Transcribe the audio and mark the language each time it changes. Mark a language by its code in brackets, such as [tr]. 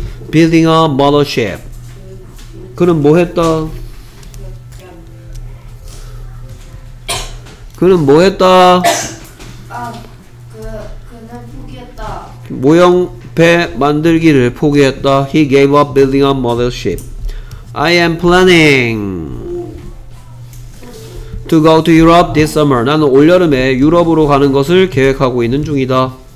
[en] Building a mothership. [ko] 그는 뭐 했다? 그는 뭐 했다? 아, 그는 포기했다. 모형 배 만들기를 포기했다. [en] He gave up building a mothership. I am planning to go to Europe this summer. [ko] 나는 올여름에 유럽으로 가는 것을 계획하고 있는 중이다.